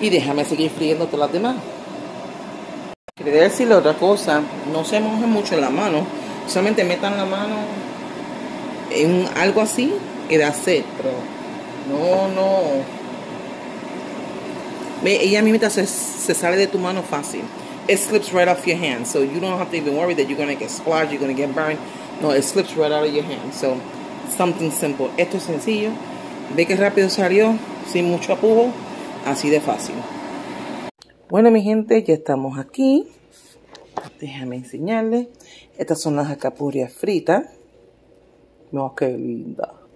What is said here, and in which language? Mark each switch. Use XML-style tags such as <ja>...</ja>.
<es>Y déjame seguir friéndote las demás. Quería decirle otra cosa, no se moje mucho la mano, solamente metan la mano en algo así que da sed, pero no, no. Ve, ella mismita se sale de tu mano fácil.</es> <en>It slips right off your hand, so you don't have to even worry that you're going to get splashed, you're going to get burned. No, it slips right out of your hand, so something simple.</en> <es>Esto es sencillo, ve que rápido salió, sin mucho apujo, así de fácil. Bueno, mi gente, ya estamos aquí. Déjame enseñarles. Estas son las alcapurrias fritas. No, qué linda.</es>